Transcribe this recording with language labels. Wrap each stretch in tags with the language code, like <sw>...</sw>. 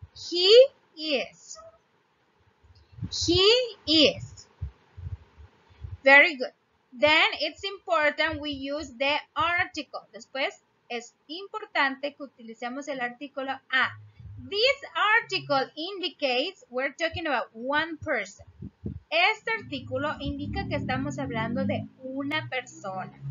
<en>He is. He is. Very good. Then it's important we use the article.</en> <es>Después es importante que utilicemos el artículo a.</es> <en>This article indicates we're talking about one person.</en> <es>Este artículo indica que estamos hablando de una persona.</es>